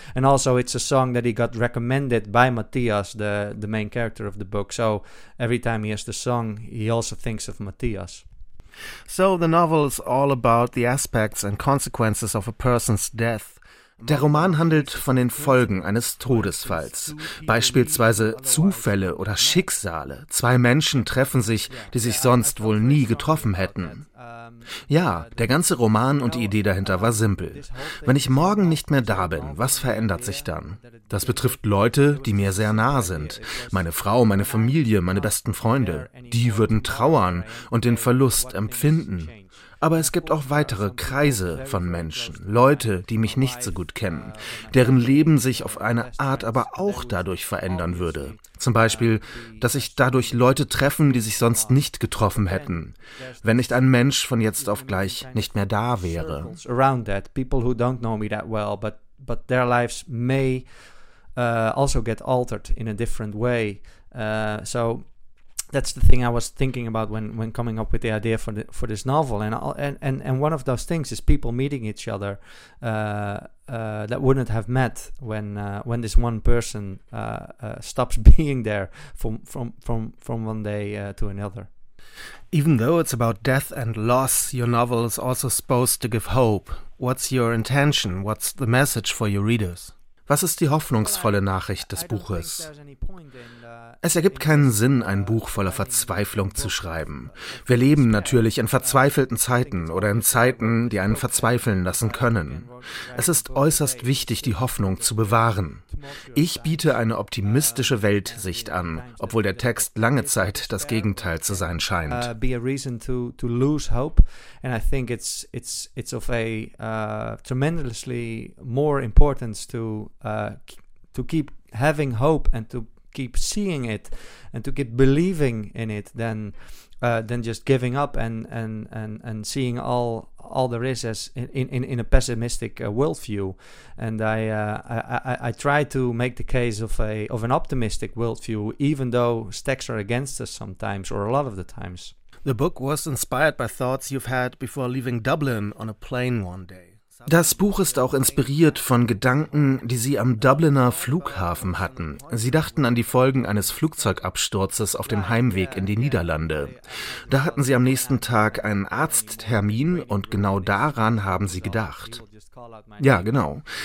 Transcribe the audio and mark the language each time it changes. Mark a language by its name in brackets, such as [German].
[English] And also, it's a song that he got recommended by Matthias, the main character of the book. So every time he hears the song, he also thinks of Matthias. So the novel is all about the aspects and consequences of a person's death. [German] Der Roman handelt von den Folgen eines Todesfalls, beispielsweise Zufälle oder Schicksale. Zwei Menschen treffen sich, die sich sonst wohl nie getroffen hätten. Ja, der ganze Roman und die Idee dahinter war simpel. Wenn ich morgen nicht mehr da bin, was verändert sich dann? Das betrifft Leute, die mir sehr nah sind. Meine Frau, meine Familie, meine besten Freunde. Die würden trauern und den Verlust empfinden. Aber es gibt auch weitere Kreise von Menschen, Leute, die mich nicht so gut kennen, deren Leben sich auf eine Art aber auch dadurch verändern würde. Zum Beispiel, dass sich dadurch Leute treffen, die sich sonst nicht getroffen hätten, wenn nicht ein Mensch von jetzt auf gleich nicht mehr da wäre. [English] Around that, people who don't know me that well, but their lives may also get altered in a different way. So that's the thing I was thinking about when coming up with the idea for this novel, and one of those things is people meeting each other that wouldn't have met when this one person stops being there from one day to another. Even though it's about death and loss, your novel is also supposed to give hope. What's your intention? What's the message for your readers? [German] Was ist die hoffnungsvolle Nachricht des Buches? Es ergibt keinen Sinn, ein Buch voller Verzweiflung zu schreiben. Wir leben natürlich in verzweifelten Zeiten oder in Zeiten, die einen verzweifeln lassen können. Es ist äußerst wichtig, die Hoffnung zu bewahren. Ich biete eine optimistische Weltsicht an, obwohl der Text lange Zeit das Gegenteil zu sein scheint. [English] Be a reason to lose hope, and I think it's of a tremendously more importance to keep having hope and to keep seeing it and to keep believing in it than just giving up and seeing all there is as in a pessimistic worldview. And I try to make the case of an optimistic worldview, even though stacks are against us sometimes or a lot of the times. The book was inspired by thoughts you've had before leaving Dublin on a plane one day. [German] Das Buch ist auch inspiriert von Gedanken, die sie am Dubliner Flughafen hatten. Sie dachten an die Folgen eines Flugzeugabsturzes auf dem Heimweg in die Niederlande. Da hatten sie am nächsten Tag einen Arzttermin und genau daran haben sie gedacht. Ja, genau.